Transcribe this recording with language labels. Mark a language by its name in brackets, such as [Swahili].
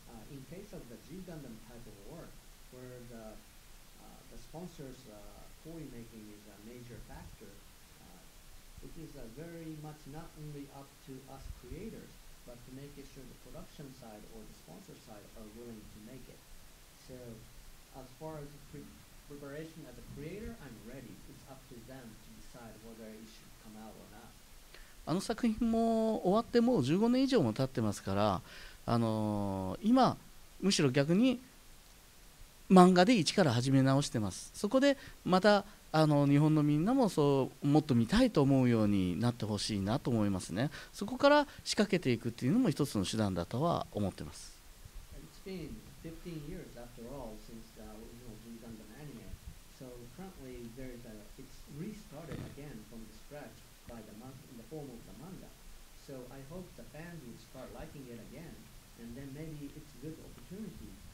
[English] In case of the G Gundam type of work, where the,、the sponsors、toy making is a major factor、it is、very much not only up to us creators but to make sure the production side or the sponsor side are willing to make it. So as far as preparation as a creator, I'm ready. It's up to them to decide whether it should come out or not. [Japanese] あの作品も終わってもう15年以上も経ってますから、今むしろ逆に漫画で一から始め直してます。そこでまた日本のみんなもそうもっと見たいと思うようになってほしいなと思いますね。そこから仕掛けていくっていうのも一つの手段だとは思ってます。 [English] It's been 15 years after all since the original G Gundam anime. So currently there's a, it's restarted again from the scratch by the, in the form of the manga. So I hope the fans will start liking it again and then maybe it's a good opportunity